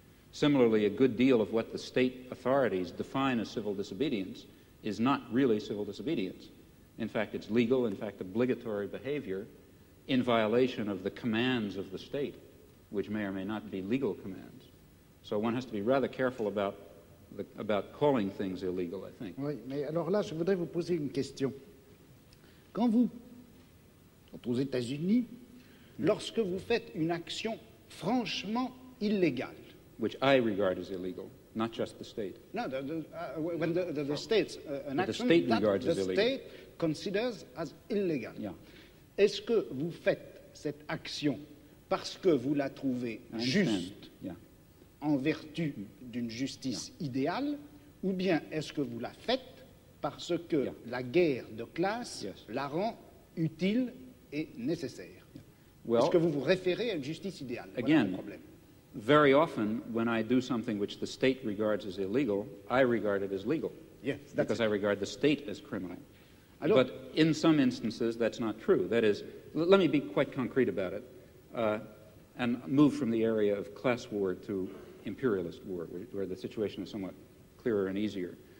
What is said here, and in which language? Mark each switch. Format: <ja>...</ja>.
<en>Similarly, a good deal of what the state authorities define as civil disobedience is not really civil disobedience. In fact, it's legal, in fact, obligatory behavior in violation of the commands of the state, which may or may not be legal commands. So one has to be rather careful about calling things illegal, I think.</en> <fr>Oui, mais alors là, je voudrais vous poser une question. Quand vous, aux États-Unis, lorsque vous faites une action franchement illégale,</fr> <en>which I regard as illegal, not just the state. No, the state considers as illegal. Yeah.</en> <fr>Est-ce que vous faites cette action parce que vous la trouvez juste en vertu d'une justice idéale, ou bien est-ce que vous la faites parce que la guerre de classe la rend utile et nécessaire?</fr> <en>Well,</en> <fr>est-ce que vous vous référez à une justice idéale?</fr> <en>Again,</en> <fr>voilà le problème.</fr> <en>Very often, when I do something which the state regards as illegal, I regard it as legal. Yes, because it. I regard the state as criminal.</en> <fr>Alors,</fr> <en>but in some instances, that's not true. That is, let me be quite concrete about it. And move from the area of class war to imperialist war, where the situation is somewhat clearer and easier.</en>